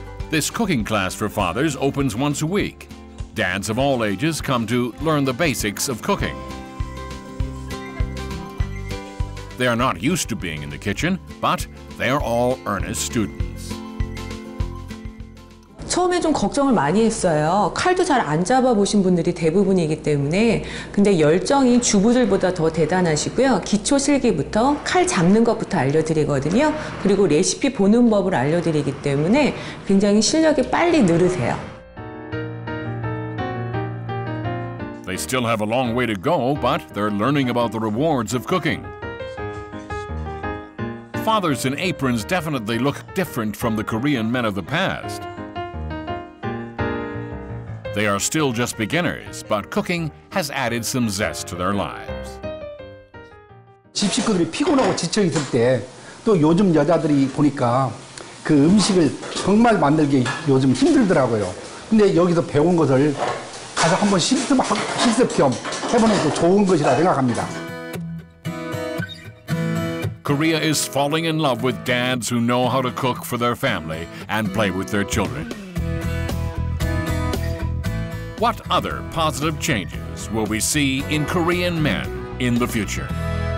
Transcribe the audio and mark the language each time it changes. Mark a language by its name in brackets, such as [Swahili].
[English] This cooking class for fathers opens once a week. Dads of all ages come to learn the basics of cooking. They are not used to being in the kitchen, but they are all earnest students. [Korean] 처음에 좀 걱정을 많이 했어요. 칼도 잘 안 잡아 보신 분들이 대부분이기 때문에. 근데 열정이 주부들보다 더 대단하시고요. 기초 실기부터 칼 잡는 것부터 알려드리거든요. 그리고 레시피 보는 법을 알려드리기 때문에 굉장히 실력이 빨리 늘으세요. [English] They still have a long way to go, but they're learning about the rewards of cooking. Fathers in aprons definitely look different from the Korean men of the past. They are still just beginners, but cooking has added some zest to their lives. [Korean] 집 식구들이 피곤하고 지쳐 있을 때 또 요즘 여자들이 보니까 그 음식을 정말 만들기 요즘 힘들더라고요. 근데 여기서 배운 것을 가서 한번 실습 겸 해보는 것도 좋은 것이라 생각합니다. [English] Korea is falling in love with dads who know how to cook for their family and play with their children. What other positive changes will we see in Korean men in the future?